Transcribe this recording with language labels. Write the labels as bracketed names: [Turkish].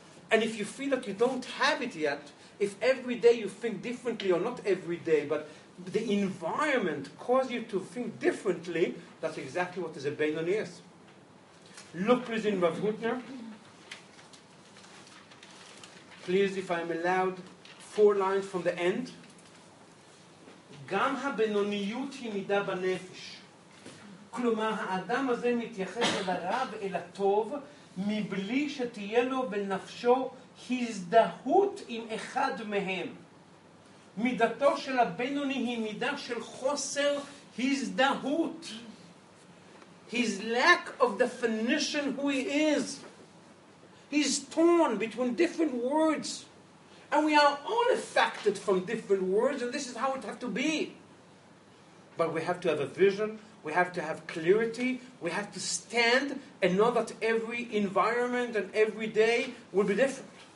[English] And if you feel that you don't have it yet, if every day you think differently, or not every day, but the environment causes you to think differently, that's exactly what is a beinoni is. Look, please, in Rav Huttner. Please, if I'm allowed, four lines from the end. [Hebrew] גם הבינוניות היא מידה בנפש. כלומר, האדם הזה מתייחס אל הרע ואל הטוב מבלי שתהיה לו בנפשו הזדהות עם אחד מהם. מידתו של הבינוני היא מידה של חוסר הזדהות. [English] His lack of definition who he is. He's torn between different words. And we are all affected from different words, and this is how it has to be. But we have to have a vision, we have to have clarity, we have to stand and know that every environment and every day will be different.